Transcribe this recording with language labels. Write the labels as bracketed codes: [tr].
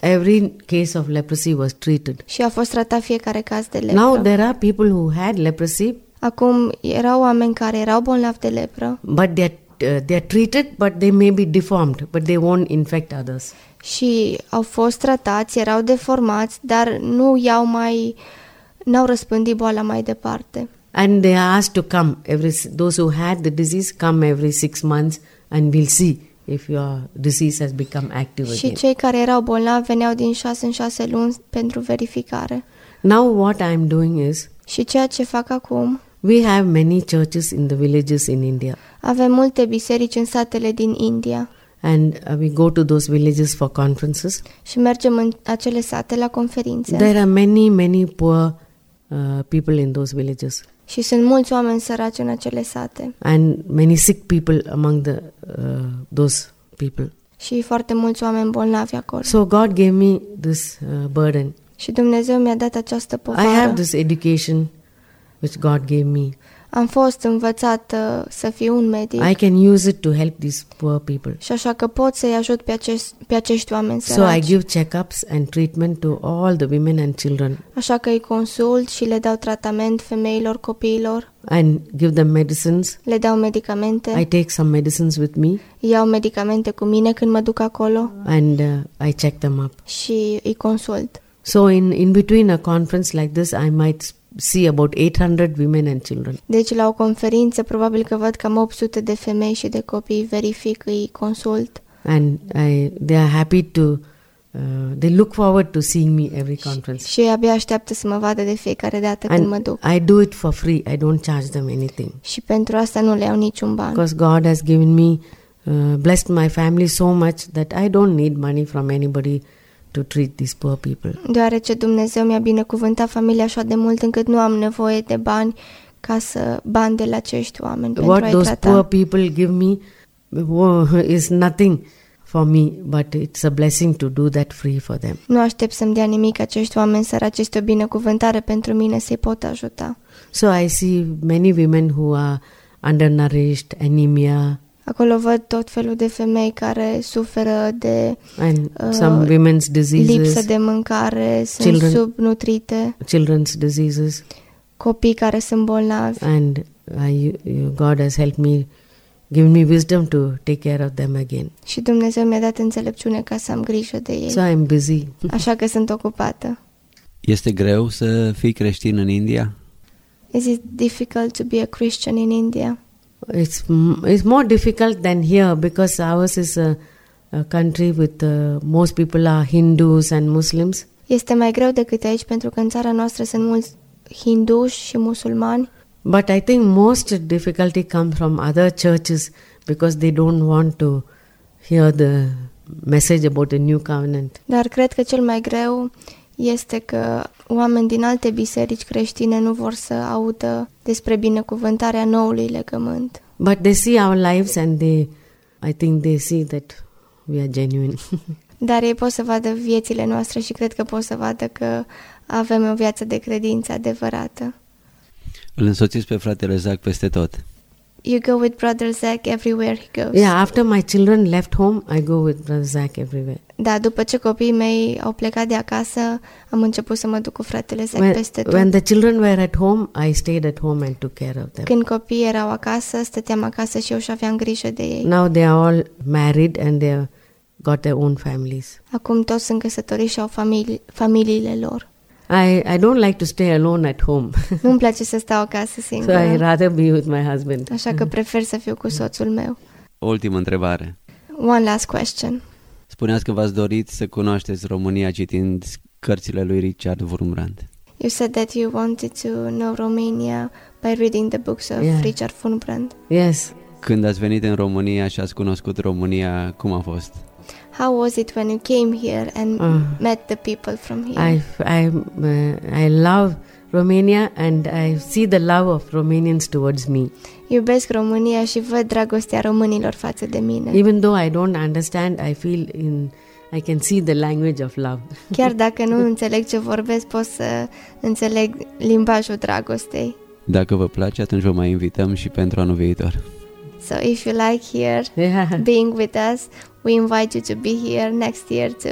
[en] Every case of leprosy was treated. [ro] Și a fost tratat fiecare caz de lepră. [en] Now there are people who had leprosy. [ro] Acum erau oameni care erau bolnavi de lepră. [en] But they are treated, but they may be deformed, but they won't infect others. [ro] Și au fost tratați, erau deformați, dar nu iau mai, n-au răspândit boala mai departe. [en] And they are asked to come, those who had the disease, come every 6 months and we'll see if your disease has become active again. [ro] Și cei care erau bolnavi veneau din 6 în 6 luni pentru verificare. [en] Now what I'm doing is, [ro] și ceea ce fac acum, [en] we have many churches in the villages in India. [ro] Avem multe biserici în satele din India. [en] And we go to those villages for conferences. [ro] Și mergem în acele sate la conferințe. [en] There are many, many poor people in those villages. [ro] Și sunt mulți oameni săraci în acele sate. [en] And many sick people among the those people. [ro] Și foarte mulți oameni bolnavi acolo. [en] So God gave me this burden. [ro] Și Dumnezeu mi-a dat această povară. [en] I have this education which God gave me. [ro] Am fost învățată să fiu un medic. [en] I can use it to help these poor people. [ro] Și așa că pot să-i ajut pe acești oameni săraci. [en] So I give checkups and treatment to all the women and children. [ro] Așa că îi consult și le dau tratament femeilor, copiilor. [en] And give them medicines. [ro] Le dau medicamente. [en] I take some medicines with me. [ro] Iau medicamente cu mine când mă duc acolo. [en] And I check them up. [ro] Și îi consult. [en] So in between a conference like this, I might see about 800 women and children. [ro] Deci la o conferință probabil că văd cam 800 de femei și de copii, verific, îi consult. [en] And they are happy to they look forward to seeing me every conference. [ro] Și abia așteaptă să mă vadă de fiecare dată când mă duc. [en] I do it for free. I don't charge them anything. [ro] Și pentru asta nu le iau niciun ban. [en] Because God has given me blessed my family so much that I don't need money from anybody to treat these poor people. [ro] Deoarece Dumnezeu mi-a binecuvântat familia așa de mult încât nu am nevoie de bani ca să bani de la acești oameni pentru a-i trata. [en] What those poor people give me is nothing for me, but it's a blessing to do that free for them. [ro] Nu aștept să-mi dea nimic acești oameni săraci, este o binecuvântare pentru mine să-i pot ajuta. [en] So I see many women who are undernourished, anemia. [ro] Acolo văd tot felul de femei care suferă de [en] some women's diseases, [ro] lipsă de mâncare, sunt subnutrite. [en] Children's diseases. [ro] Copii care sunt bolnavi. [en] And God has helped me, given me wisdom to take care of them again. [ro] Și Dumnezeu mi-a dat înțelepciune ca să am grijă de ei. [en] So I'm busy. [ro] Așa că sunt ocupată. Este greu să fii creștin în India? [en] Is it difficult to be a Christian in India? It's more difficult than here because ours is a country with most people are Hindus and Muslims. [ro] Este mai greu decât aici pentru că în țara noastră sunt mulți hinduși și musulmani. [en] But I think most difficulty comes from other churches because they don't want to hear the message about the new covenant. [ro] Dar cred că cel mai greu este că oameni din alte biserici creștine nu vor să audă despre binecuvântarea noului legământ. [en] But they see our lives and they, I think they see that we are genuine. [ro] Dar ei pot să vadă viețile noastre și cred că pot să vadă că avem o viață de credință adevărată. Îl însoțiți pe fratele Zac peste tot. [en] You go with Brother Zac everywhere he goes. Yeah, after my children left home, I go with Brother Zac everywhere. [ro] Da, după ce copiii mei au plecat de acasă, am început să mă duc cu fratele Zac peste tot. [en] When the children were at home, I stayed at home and took care of them. [ro] Când copiii erau acasă, stăteam acasă și eu și aveam grijă de ei. [en] Now they are all married and they got their own families. [ro] Acum toți sunt căsătoriți și au familiile lor. [en] I don't like to stay alone at home. [ro] Nu-mi place să stau acasă singură. [en] So I rather be with my husband. [ro] Așa că prefer să fiu cu soțul meu. Ultima întrebare. [en] One last question. [ro] Spuneați că v-ați dorit să cunoașteți România citind cărțile lui Richard Wurmbrand. [en] You said that you wanted to know Romania by reading the books of Richard Wurmbrand. Yes. [ro] Când ați venit în România și ați cunoscut România, cum a fost? [en] How was it when you came here and met the people from here? I love Romania and I see the love of Romanians towards me. [ro] Iubesc România și văd dragostea românilor față de mine. [en] Even though I don't understand, I can see the language of love. [ro] Chiar dacă nu înțeleg ce vorbesc, pot să înțeleg limbajul dragostei. Dacă vă place, atunci vă mai invităm și pentru anul viitor. [en] So if you like here, being with us, we invite you to be here next year too.